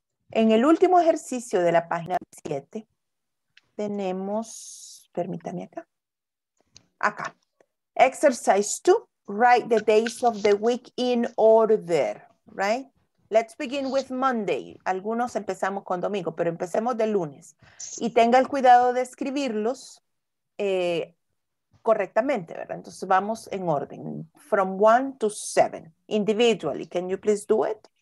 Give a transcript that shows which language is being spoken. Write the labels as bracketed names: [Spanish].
[Spanish] En el último ejercicio de la página 7, tenemos, permítame acá. [English] Acá. Exercise 2. Write the days of the week in order, right? Let's begin with Monday. [Spanish] Algunos empezamos con domingo, pero empecemos de lunes. Y tenga el cuidado de escribirlos correctamente, ¿verdad? Entonces vamos en orden. [English] From 1 to 7, individually. Can you please do it?